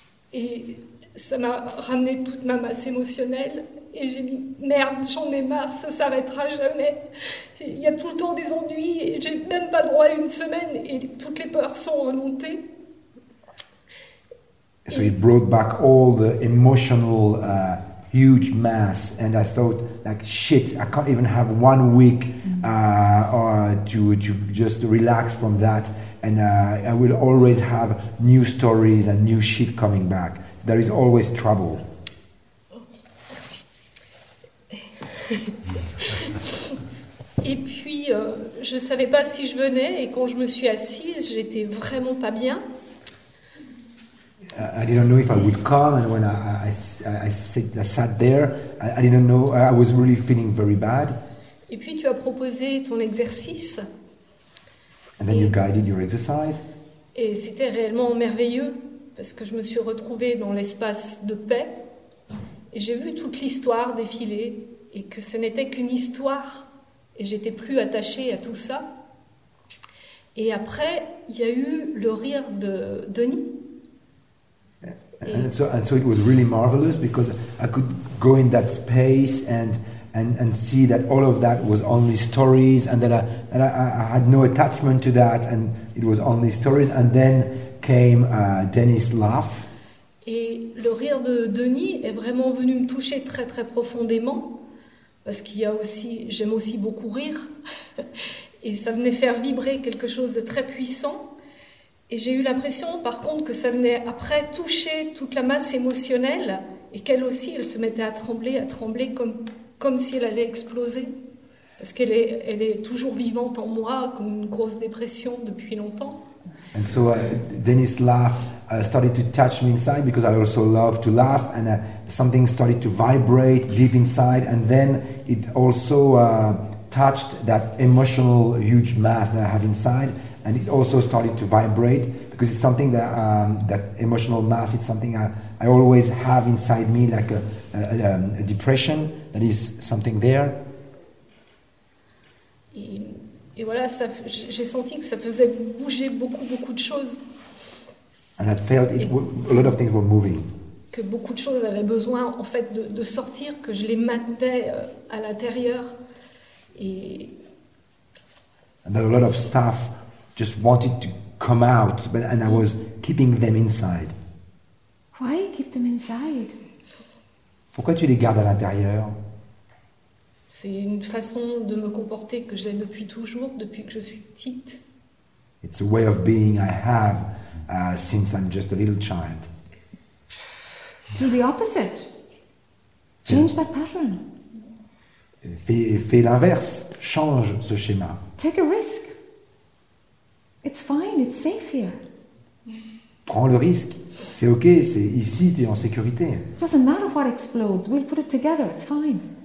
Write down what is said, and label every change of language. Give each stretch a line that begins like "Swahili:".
French: Et ça m'a ramené toute ma masse émotionnelle et j'ai dit merde, j'en ai marre, ça s'arrêtera jamais. Il y a tout le temps des ennuis et j'ai même pas droit à une semaine et toutes les peurs sont remontées.
English: So it brought back all the emotional huge mass and I thought like shit, I can't even have 1 week to just relax from that. And I will always have new stories and new shit coming back. So there is always trouble.
French: Merci. Et puis, je savais pas si je venais, et quand je me suis assise, j'étais vraiment pas bien.
English: I didn't know if I would come, and when I sat there, I didn't know, I was really feeling very bad.
French: Et puis, tu as proposé ton exercice.
English: And then you guided your exercise.
French: Et c'était réellement merveilleux parce que je me suis retrouvée dans l'espace de paix et j'ai vu toute l'histoire défiler et que ce n'était qu'une histoire et j'étais plus attachée à tout ça. Et après, il y a eu le rire de Denis.
English: And so it was really marvelous because I could go in that space and see that all of that was only stories and that I had no attachment to that and it was only stories and then came Denis' laugh.
French: Et le rire de Denis est vraiment venu me toucher très très profondément parce qu'il y a aussi, j'aime aussi beaucoup rire et ça venait faire vibrer quelque chose de très puissant et j'ai eu l'impression par contre que ça venait après toucher toute la masse émotionnelle et qu'elle aussi elle se mettait à trembler comme si elle allait exploser, parce qu'elle est, elle est toujours vivante en moi, comme une grosse dépression depuis longtemps.
English: And so Denis' laugh started to touch me inside, because I also love to laugh, and something started to vibrate deep inside, and then it also touched that emotional huge mass that I have inside, and it also started to vibrate, because it's something that, that emotional mass, it's something I always have inside me, like a depression, that is something there.
French: Et voilà, ça, j'ai senti que ça faisait bouger beaucoup, beaucoup de choses.
English: And I felt a lot of things were moving.
French: Que beaucoup de choses avaient besoin, en fait, de sortir, que je les maintenais à l'intérieur. Et
English: and that a lot of stuff just wanted to come out, but and I was keeping them inside. Why keep them inside?
French: Pourquoi tu les gardes à l'intérieur? C'est une façon de me comporter que j'ai depuis toujours, depuis que je suis petite.
English: It's a way of being I have since I'm just a little child. Do the opposite. Change that pattern.
French: Fais l'inverse. Change ce schéma.
English: Take a risk. It's fine. It's safe here.
French: Prends le risque. C'est ok, c'est ici, tu es en sécurité.
English: Doesn't matter what explodes, we'll put it together, it's fine.